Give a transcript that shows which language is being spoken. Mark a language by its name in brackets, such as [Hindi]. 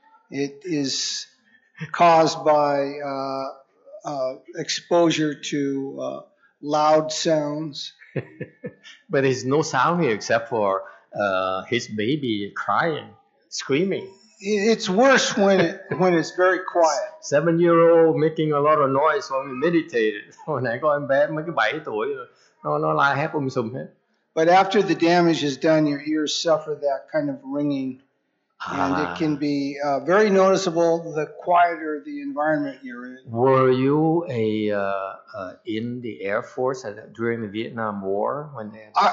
[English] It is caused by exposure to loud sounds. But there's no sound here except for his baby crying, screaming. It's worse when it's very quiet. 7 year old making a lot of noise when we meditated. [Vietnamese] Hồi nãy con bé mấy cái 7 tuổi nó la hét um sùm hết. [English] But after the damage is done, your ears suffer that kind of ringing, and it can be very noticeable the quieter the environment you're in. Were you in the Air Force during the Vietnam War when they?